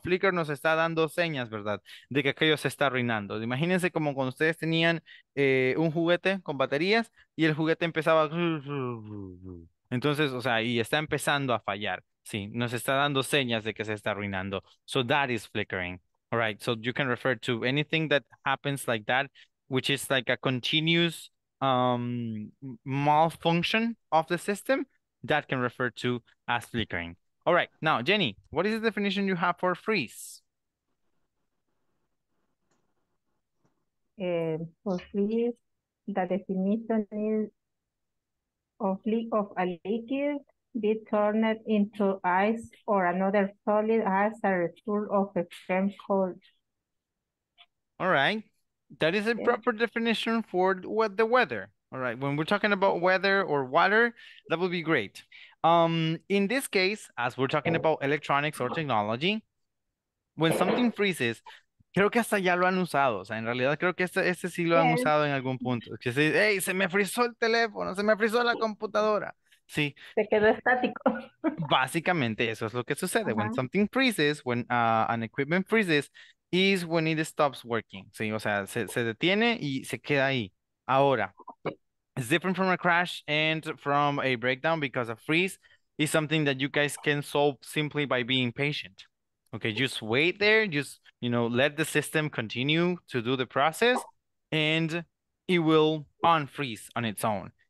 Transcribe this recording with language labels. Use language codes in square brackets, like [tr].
[es] Flicker nos está dando señas, ¿verdad? De que aquello se está arruinando. Imagínense como cuando ustedes tenían un juguete con baterías y el juguete empezaba... Entonces, o sea, y está empezando a fallar. Sí, nos está dando señas de que se está arruinando. [en] So that is flickering. All right, so you can refer to anything that happens like that, which is like a continuous malfunction of the system, that can refer to as flickering. All right, now, Jenny, what is the definition you have for freeze? For freeze, the definition is of a liquid be turned into ice or another solid as a result of extreme cold. All right. That is a proper definition for what the weather. All right. When we're talking about weather or water, that would be great. In this case, as we're talking about electronics or technology, when something freezes, [es] creo que hasta ya lo han usado. O sea, en realidad creo que este sí lo han usado en algún punto. Que se dice, hey, se me frizó el teléfono, se me frizó la computadora. Sí. Se quedó estático. Básicamente eso es lo que sucede. [en] Uh-huh. When something freezes, when an equipment freezes, is when it stops working. [es] Sí, o sea, se detiene y se queda ahí. [en] Ahora, it's different from a crash and from a breakdown because a freeze is something that you guys can solve simply by being patient. Okay, just wait there. Just, you know, let the system continue to do the process and it will unfreeze on its own.